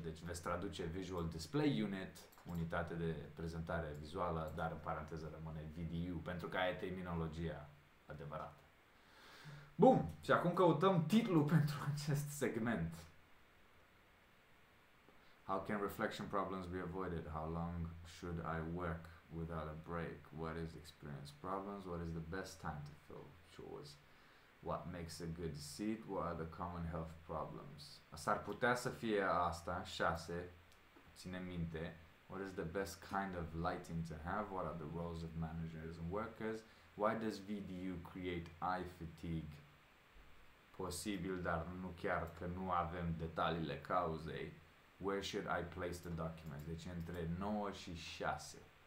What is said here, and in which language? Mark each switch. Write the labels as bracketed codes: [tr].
[ro] Deci veți traduce Visual Display Unit, unitate de prezentare vizuală, dar în paranteză rămâne VDU, pentru că aia e terminologia adevărată. Bun, și acum căutăm titlul pentru acest segment. [en] How can reflection problems be avoided? How long should I work without a break? What is experience problems? What is the best time to fill chores? What makes a good seat? What are the common health problems? [ro] S-ar putea să fie asta, 6, ține minte. [en] What is the best kind of lighting to have? What are the roles of managers and workers? Why does VDU create eye fatigue? [ro] Posibil, dar nu chiar că nu avem detaliile cauzei. [en] Where should I place the documents? [ro] Deci între 9 și 6.